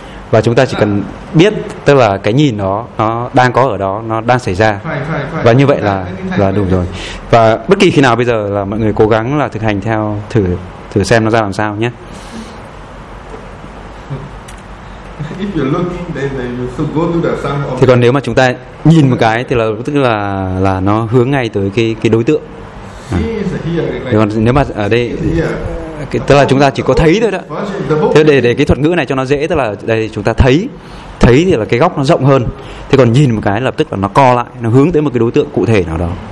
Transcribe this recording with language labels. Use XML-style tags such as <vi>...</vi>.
<vi>Và chúng ta chỉ cần biết, tức là cái nhìn nó đang có ở đó, nó đang xảy ra. Và như vậy là đủ rồi. Và bất kỳ khi nào bây giờ là mọi người cố gắng là thực hành theo, thử xem nó ra làm sao nhé.</vi> <en>If you're looking, then you should go to the sun.</en> <vi>Thì còn nếu mà chúng ta nhìn một cái thì là nó hướng ngay tới cái đối tượng. Thì còn nếu mà ở đây, tức là chúng ta chỉ có thấy thôi đó. Thế để cái thuật ngữ này cho nó dễ, tức là đây chúng ta thấy thì là cái góc nó rộng hơn. Thế còn nhìn một cái lập tức là nó co lại, nó hướng tới một cái đối tượng cụ thể nào đó.</vi>